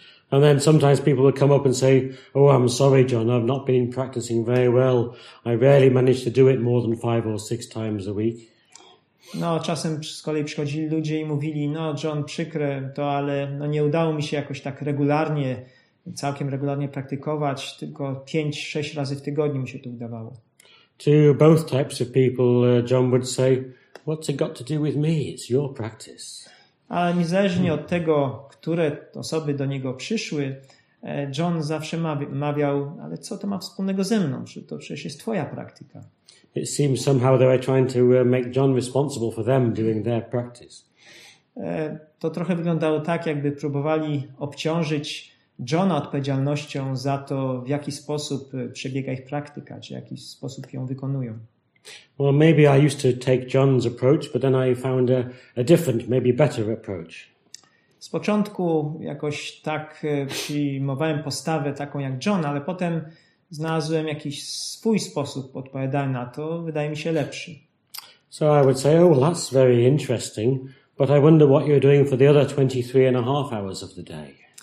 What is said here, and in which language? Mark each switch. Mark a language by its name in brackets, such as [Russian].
[English] And then sometimes people would come up and say, "Oh, I'm sorry, John, I've not been practicing very well. I rarely manage to do it more than 5 or 6 times a week." [Polish] Czasem z kolei przychodzili ludzie i mówili: "John, przykre to, ale nie udało mi się jakoś tak regularnie, całkiem regularnie praktykować, tylko 5-6 razy w tygodniu mi się to udawało." [English] To both types of people, John would say, "What's it got to do with me? It's your practice." [Polish] Ale niezależnie od tego, które osoby do niego przyszły, John zawsze mawiał: "Ale co to ma wspólnego ze mną? To przecież jest twoja praktyka." [English] It seems somehow they were trying to make John responsible for them doing their practice. [Polish] To trochę wyglądało tak, jakby próbowali obciążyć Johna odpowiedzialnością za to, w jaki sposób przebiega ich praktyka, czy w jaki sposób ją wykonują. [English] Well, maybe I used to take John's approach, but then I found a different, maybe better approach. [Polish] Z początku jakoś tak przyjmowałem postawę taką jak John, ale potem znalazłem jakiś swój sposób odpowiadania na to, wydaje mi się lepszy. [English] So I would say, "Oh, well, that's very interesting, but I wonder what you're doing for the other 23.5 hours of the day."